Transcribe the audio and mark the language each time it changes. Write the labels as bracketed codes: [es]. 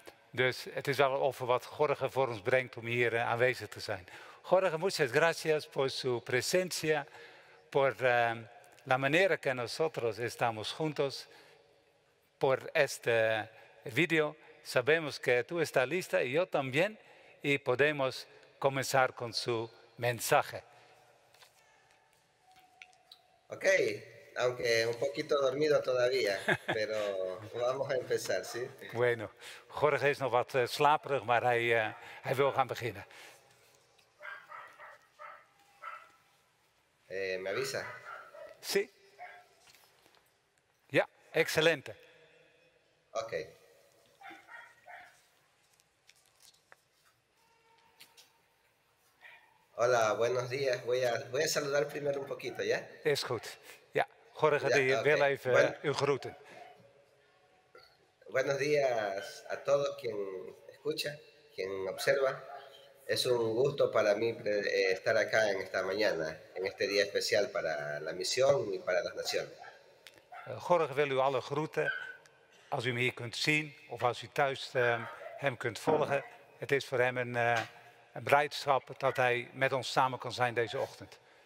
[nl] Dus het is wel over wat Jorge voor ons brengt om hier aanwezig te zijn. [es] Jorge, muchas gracias por su presencia, por la manera que nosotros estamos juntos, por este video. Sabemos que tú estás lista y yo también, y podemos comenzar con su mensaje. Ok, aunque un poquito dormido todavía, pero vamos a empezar, ¿sí? [nl] Bueno, Jorge es no wat slaperig, maar hij wil gaan beginnen. [es] ¿Me avisa? Sí. Ya, excelente. Ok. Hola, buenos días. Voy a saludar primero un poquito, ¿ya? [nl] Es good. Ya, Jorge, ya, okay. Wil even u groeten. [es] Buenos días a todos quien escucha, quien observa. Es un gusto para mí estar acá en esta mañana, en este día especial para la misión y para las naciones. [nl] Jorge, wil u alle groeten. Als u hem hier kunt zien of als u thuis hem kunt volgen, het is voor hem een blijdschap dat hij met ons samen kan zijn deze ochtend.